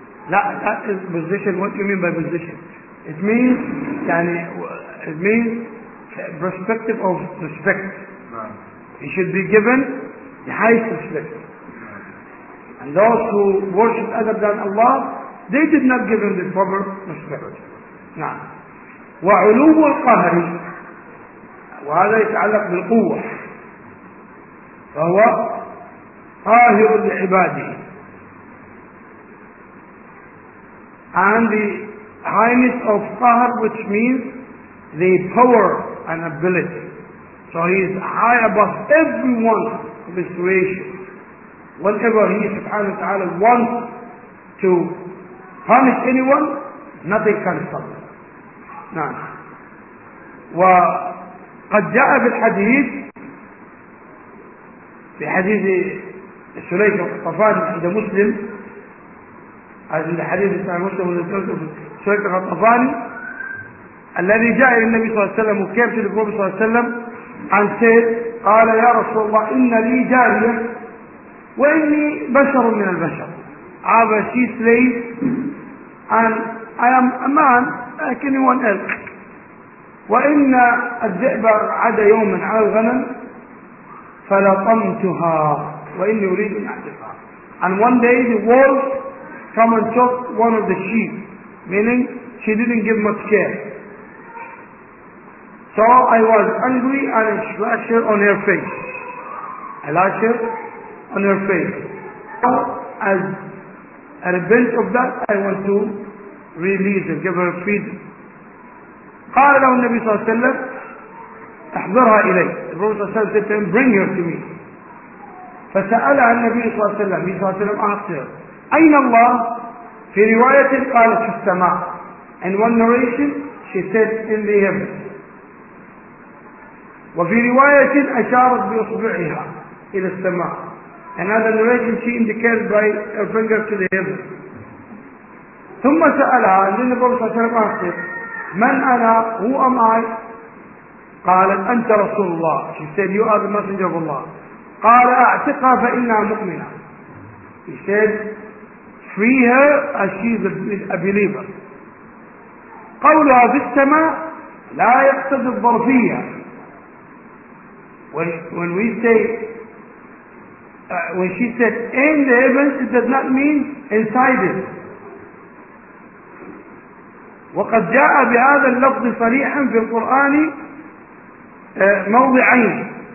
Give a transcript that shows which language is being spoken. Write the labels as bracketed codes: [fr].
[en] لا that is position. What do you mean by position? It means يعني it means perspective of respect. He should be given the highest respect. And those who worship other than Allah, they did not give him the proper respect. [ar] نعم. وعلو القهر وهذا يتعلق بالقوة فهو قاهر لعباده. [en] And the highness of قهر which means the power and ability. So he is high above everyone of his creation. Whatever he subhanahu wa ta'ala wants to punish anyone, nothing can stop him. [ar] نعم. وقد جاء بالحديث في حديث سليم الغطفان عند مسلم هذا الحديث عند مسلم سليم الغطفان الذي جاء إلى النبي صلى الله عليه وسلم وكيف في النبي صلى الله عليه وسلم عن سيد قال يا رسول الله إن لي جارية وإني بشر من البشر. [en] I am a she slave and I am a man like anyone else. [ar] وإن الذئب عدا يوما على الغنم فلطمتها وإني أريد أن أعتقها. [en] And one day the wolf come and took one of the sheep, meaning she didn't give much care. So I was angry and I lashed her on her face. I lashed her on her face. So as a revenge of that, I want to release her, give her freedom. [ar] قال له النبي صلى الله عليه وسلم احضرها إلي. [en] The Prophet [ar] صلى الله عليه وسلم [en] said to him, bring her to me. [ar] فسألها النبي صلى الله عليه وسلم. النبي صلى الله عليه وسلم [en] asked her, [ar] أين الله؟ في رواية قالت في السماء. [en] In one narration, she said in the heavens. [ar] وفي رواية أشارت بأصبعها إلى السماء. [en] Another narration she indicated by her finger to the heaven. [ar] ثم سألها عن النبي صلى الله عليه وسلم أخبر من أنا؟ [en] Who am I؟ [ar] قالت أنت رسول الله. [en] She said you are the messenger of Allah. [ar] قال أعتقها فإنها مؤمنة. [en] He said, free her as she is a believer. [ar] قولها في السماء لا يقتضي الظرفية. [en] When we say, when she said in the heavens, it does not mean inside it. [ar] وقد جاء بهذا اللفظ صريحا في القرآن موضعين.